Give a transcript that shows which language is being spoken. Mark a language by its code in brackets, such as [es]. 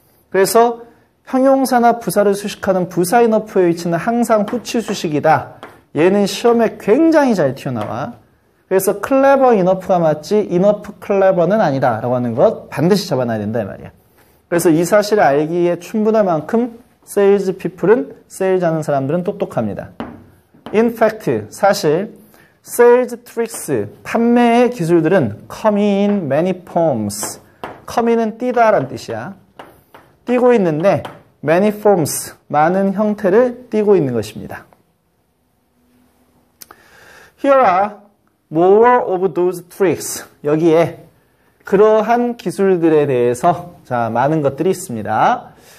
[ko] 그래서 형용사나 부사를 수식하는 부사 인어프의 위치는 항상 후치 수식이다. 얘는 시험에 굉장히 잘 튀어나와. 그래서 클레버 인어프가 맞지 인어프 클레버는 아니다 라고 하는 것 반드시 잡아놔야 된다 이 말이야. 그래서 이 사실을 알기에 충분할 만큼 세일즈 피플은, 세일즈 하는 사람들은 똑똑합니다. [en] In fact, [ko] 사실 세일즈 트릭스, 판매의 기술들은 [en] come in many forms. [ko] come in은 뛰다 라는 뜻이야. 뛰고 있는데 [en] many forms, [ko] 많은 형태를 뛰고 있는 것입니다. [en] Here are more of those tricks. [ko] 여기에 그러한 기술들에 대해서 자 많은 것들이 있습니다.